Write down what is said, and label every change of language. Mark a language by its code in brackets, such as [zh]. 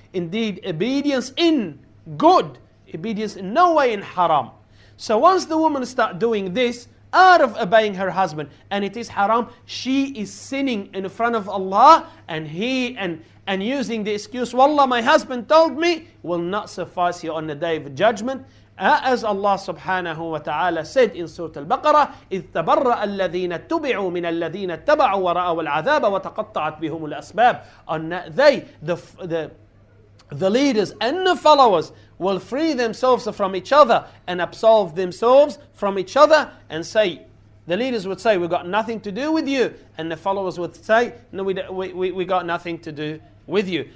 [en] Indeed, obedience in good, obedience in no way in haram. So once the woman start doing this, out of obeying her husband, and it is haram, she is sinning in front of Allah, and he and using the excuse, Wallah, my husband told me, will not suffice you on the day of judgment. [ar] As Allah subhanahu wa ta'ala said in Surah Al-Baqarah, إِذْ تَبَرَّأَ الَّذِينَ اتُّبِعُوا مِنَ الَّذِينَ اتَّبَعُوا وَرَأَوا الْعَذَابَ وَتَقَطَّعَتْ بِهُمُ الْأَسْبَابِ. [en] On that day, the leaders and the followers will free themselves from each other and absolve themselves from each other and say, the leaders would say, we got nothing to do with you. And the followers would say, no, we got nothing to do with you.